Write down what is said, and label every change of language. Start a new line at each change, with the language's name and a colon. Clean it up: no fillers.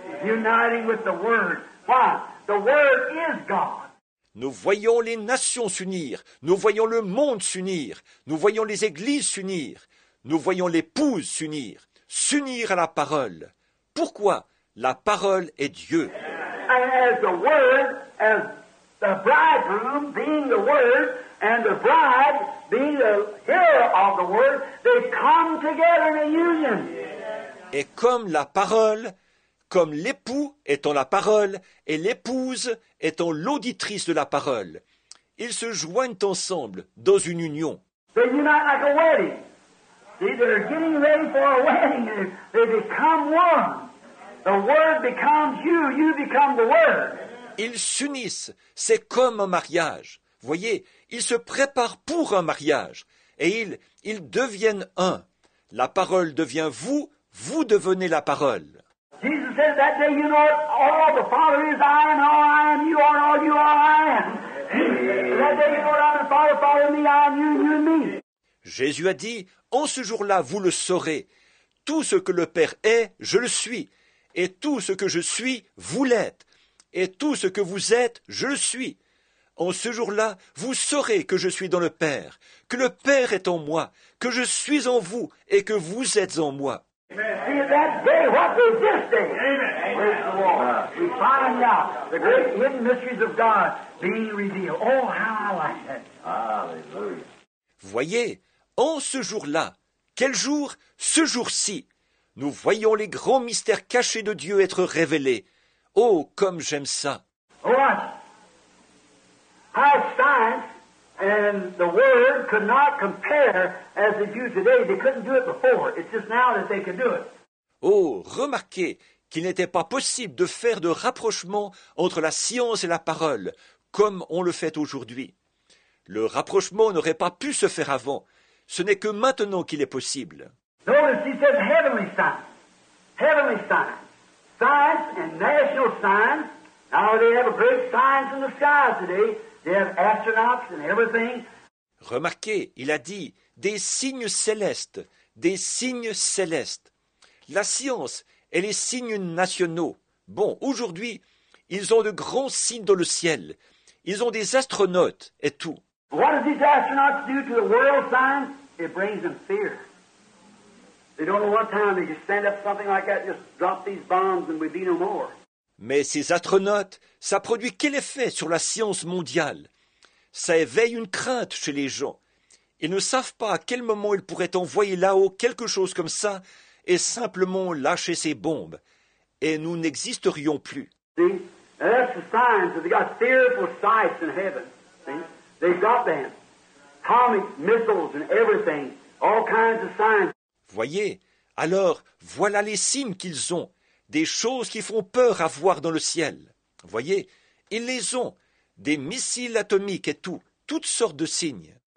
English: Uniting with the Word. Why? The Word is God.
French: Nous voyons les nations s'unir, nous voyons le monde s'unir, nous voyons les églises s'unir, nous voyons l'épouse s'unir, s'unir à la parole. Pourquoi? La parole est Dieu.
English: And as the word, as the bridegroom being the word, and the bride being the hearer of the word, they come together in a union.
French: Et comme la parole, comme l'époux étant la parole et l'épouse étant l'auditrice de la parole, ils se joignent ensemble dans une union.
English: They unite like a wedding. See, they're getting ready for a wedding. They become one. The word becomes you. You become the word.
French: Ils s'unissent. C'est comme un mariage. Voyez, ils se préparent pour un mariage et ils deviennent un. La parole devient vous. Vous devenez la parole.
English: Jesus said that day, you know it, all the Father is, I am, all I am, you are, all you are, I am. That day, you know it, I am the Father, Father, me, I am you, you and me.
French: Jésus a dit, en ce jour-là, vous le saurez. Tout ce que le Père est, je le suis. Et tout ce que je suis, vous l'êtes. Et tout ce que vous êtes, je le suis. En ce jour-là, vous saurez que je suis dans le Père, que le Père est en moi, que je suis en vous et que vous êtes en moi.
English: See, that day, what is this day? Amen. Praise Amen. The Lord. We find out the great hidden mysteries of God being revealed. Oh, how I like that. Hallelujah.
French: Voyez, en ce jour-là, quel jour? Ce jour-ci, nous voyons les grands mystères cachés de Dieu être révélés. Oh, comme j'aime ça.
English: Oh, how science and the word could not compare as they do today. They couldn't do it before. It's just now that they can do it.
French: Oh, remarquez qu'il n'était pas possible de faire de rapprochement entre la science et la parole comme on le fait aujourd'hui. Le rapprochement n'aurait pas pu se faire avant. Ce n'est que maintenant qu'il est possible.
English: Notice he said heavenly signs. Heavenly signs. Signs and national signs. Now they have a great signs in the skies today. They have astronauts and everything.
French: Remarquez, il a dit, des signes célestes, des signes célestes. La science et les signes nationaux. Bon, aujourd'hui, ils ont de grands signes dans le ciel. Ils ont des astronautes et tout.
English: What do these astronauts do to the world signs? It brings them fear. They don't know what time they just stand up something like that, just drop these bombs and we'd be no more.
French: Mais ces astronautes, ça produit quel effet sur la science mondiale? Ça éveille une crainte chez les gens. Ils ne savent pas à quel moment ils pourraient envoyer là-haut quelque chose comme ça et simplement lâcher ces bombes. Et nous n'existerions plus.
English: See, that's the signs. They've got fearful sights in heaven. See? They've got them. Atomic missiles and everything. All kinds of signs.
French: Voyez, alors voilà les signes qu'ils ont. Des choses qui font peur à voir dans le ciel. Voyez, ils les ont. Des missiles atomiques et toutes sortes de signes.